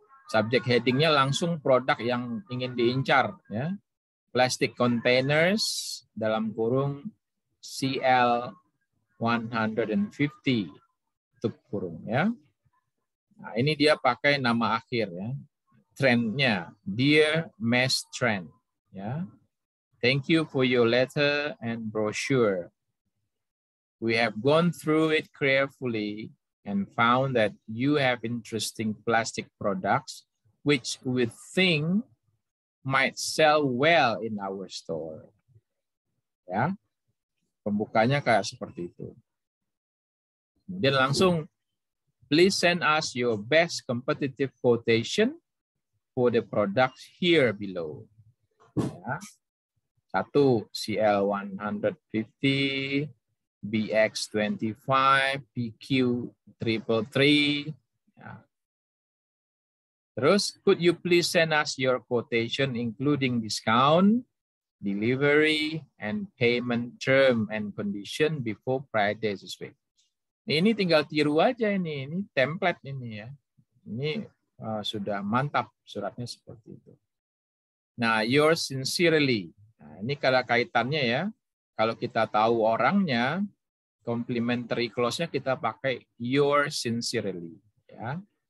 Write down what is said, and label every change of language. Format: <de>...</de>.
<id>Subject headingnya langsung produk yang ingin diincar, ya, plastic containers dalam kurung CL150 tutup kurung, ya. Nah, ini dia pakai nama akhir, ya, trendnya Dear Mass Trend, ya.</id> <en>Thank you for your letter and brochure. We have gone through it carefully and found that you have interesting plastic products which we think might sell well in our store.</en> <id>Ya. Pembukanya kayak seperti itu. Kemudian langsung,</id> <en>please send us your best competitive quotation for the products here below.</en> <id>Ya. Satu, CL150, BX25, PQ333. Ya. Terus,</id> <en>could you please send us your quotation including discount, delivery, and payment term and condition before Friday this week?</en> <id>Ini tinggal tiru aja ini template ini ya. Ini sudah mantap suratnya seperti itu. Nah, yours sincerely. Nah, ini kalau kaitannya ya. Kalau kita tahu orangnya, complimentary clause-nya kita pakai yours sincerely, ya.</id>